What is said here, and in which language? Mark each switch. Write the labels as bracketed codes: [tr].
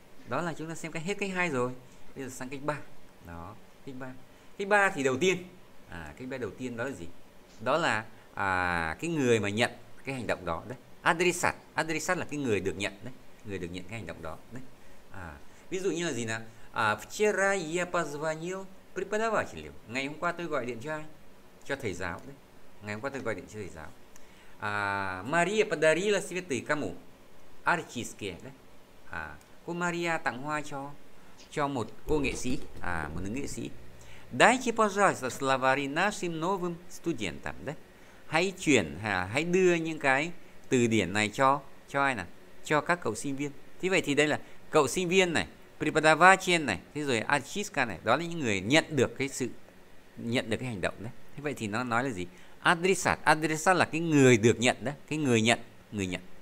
[vi] Đó là chúng ta xem cái hết cách hai rồi, bây giờ sang cách ba đó. Cách ba, cách ba thì đầu tiên cách ba đầu tiên đó là gì? Đó là cái người mà nhận cái hành động đó đấy. Adressat, adressat là cái người được nhận đấy, người được nhận cái hành động đó đấy. Ví dụ như là gì nào? [ru] Вчера я позвонил преподавателю. [vi] Ngày hôm qua tôi gọi điện cho ai? Cho thầy giáo đấy. Ngày hôm qua tôi gọi điện cho thầy giáo. [ru] Мария подарила цветы кому? [vi] Артистке đấy. Cô Maria tặng hoa cho một cô nghệ sĩ, một nữ nghệ sĩ. [ru] Дайте, пожалуйста, словари нашим новым студентам, đấy. [vi] Hãy chuyển, hãy đưa những cái từ điển này cho ai nào? Cho các cậu sinh viên. Thế vậy thì đây là cậu sinh viên này, преподаватель này, thế rồi артистка này, đó là những người nhận được cái sự, nhận được cái hành động đấy. Thế vậy thì nó nói là gì? Адресат, адресат là cái người được nhận đấy, cái người nhận, người nhận.